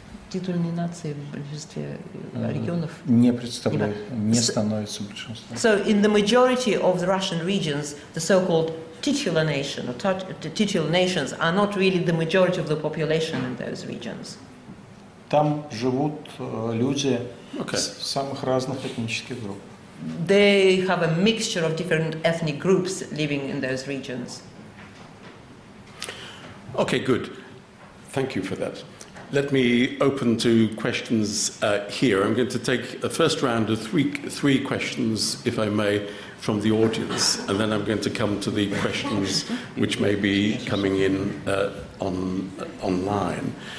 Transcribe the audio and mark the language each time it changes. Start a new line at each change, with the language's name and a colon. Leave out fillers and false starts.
Russian: Титульные нации в большинстве регионов не представляют, не становятся большинством.
English: So in the majority of the Russian regions, the so-called titular nation or titular nations are not really the majority of the population in those regions.
Russian: Там живут люди самых разных этнических групп.
English: They have a mixture of different ethnic groups living in those regions. Okay, good. Thank you for that. Let me open to questions here. I'm going to take a first round of three questions, if I may, from the audience, and then I'm going to come to the questions which may be coming in online.